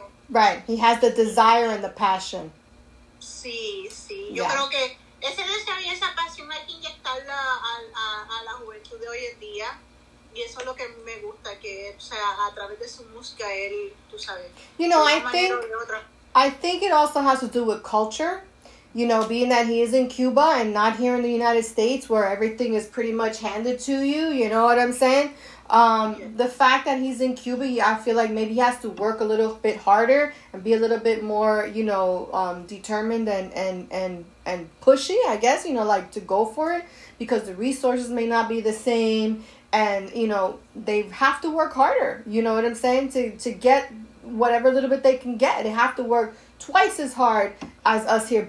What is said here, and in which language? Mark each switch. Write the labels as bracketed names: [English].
[English] Right, he has the desire and the passion. [Spanish] Sí, sí. Yo creo que ese deseo y esa pasión hay que inyectarla a la juventud de hoy en día. Y eso es lo que me gusta, que o sea, a través de su música, él, tú sabes. [English] You know, I think it also has to do with culture. You know, being that he is in Cuba and not here in the United States where everything is pretty much handed to you, you know what I'm saying? The fact that he's in Cuba, I feel like maybe he has to work a little bit harder and be a little bit more, you know, determined and pushy, I guess, you know, like to go for it because the resources may not be the same and, you know, they have to work harder, you know what I'm saying, to get whatever little bit they can get. They have to work twice as hard as us here.